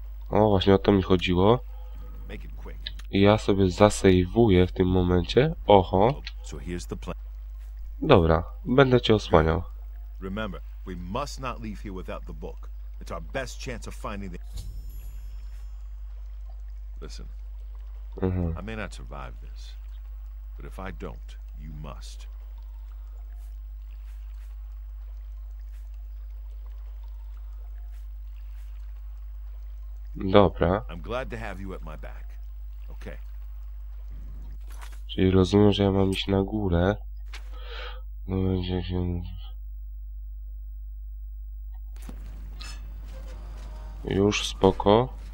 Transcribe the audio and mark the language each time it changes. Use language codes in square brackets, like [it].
[pl] O, właśnie o to mi chodziło. Ja sobie zasejwuję w tym momencie. Oho. Dobra, będę cię osłaniał. [en] Remember, we must not leave here without the book. It's our best chance of finding the... Listen. I may not survive this. But if I don't, you must. [pl] Dobra. [en] I'm glad to have you at my back. Okay. [pl] Czyli rozumiem, że ja mam iść na górę. No będzie się. Już spoko.